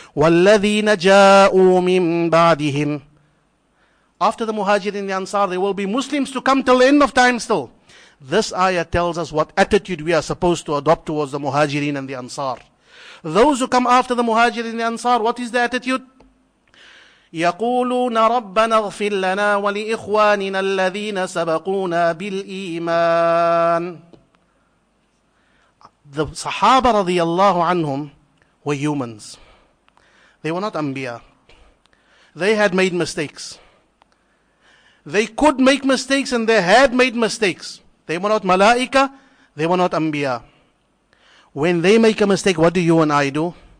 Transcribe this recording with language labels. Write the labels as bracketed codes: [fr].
[ar] وَالَّذِينَ جَاءُوا مِن بَعْدِهِمْ. [en] After the muhajirin, the ansar, there will be Muslims to come till the end of time still. This ayah tells us what attitude we are supposed to adopt towards the muhajirin and the ansar. Those who come after the muhajirin and the ansar, what is the attitude? [ar] يقولون ربنا اغفر لنا ولإخواننا الذين سبقونا بالإيمان. [en] The Sahaba radiallahu anhum were humans. They were not Anbiya. They had made mistakes. They could make mistakes and they had made mistakes. They were not Malaika. They were not Anbiya. When they make a mistake, what do you and I do?